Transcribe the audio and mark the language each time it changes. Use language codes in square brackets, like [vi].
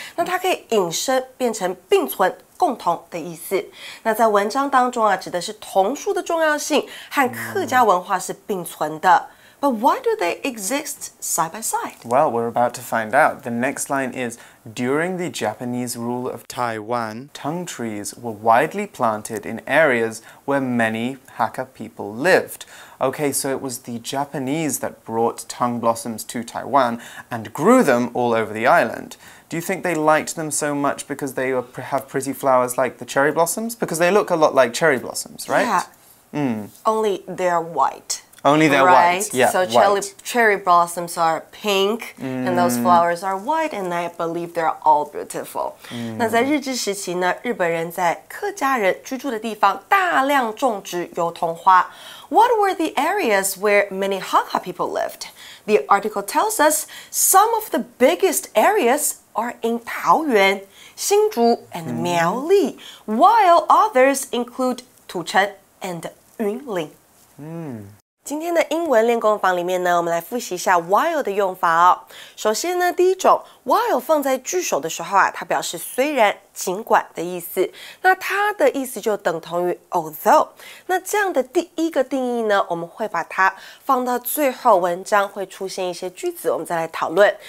[zh] 那它可以引申变成并存。共同的意思。那在文章当中啊，指的是桐树的重要性和客家文化是并存的。 [en] But why do they exist side by side? Well, we're about to find out. The next line is, during the Japanese rule of Taiwan, tongue trees were widely planted in areas where many Hakka people lived. Okay, so it was the Japanese that brought tongue blossoms to Taiwan and grew them all over the island. Do you think they liked them so much because they have pretty flowers like the cherry blossoms? Because they look a lot like cherry blossoms, right? Yeah. Only they're white. Only they're white. Yeah, so cherry blossoms are pink, and those flowers are white, and I believe they're all beautiful. [zh] 那在日治时期呢，日本人在客家人居住的地方大量种植油桐花。 [en] What were the areas where many Hakka people lived? The article tells us some of the biggest areas are in Taoyuan, 新竹 and Miao Li, while others include 土城 and 云林。 [zh] 今天的英文练功房里面呢，我们来复习一下 while 的用法哦。首先呢，第一种 while 放在句首的时候啊，它表示虽然、尽管的意思。那它的意思就等同于 although。那这样的第一个定义呢，我们会把它放到最后，文章会出现一些句子，我们再来讨论。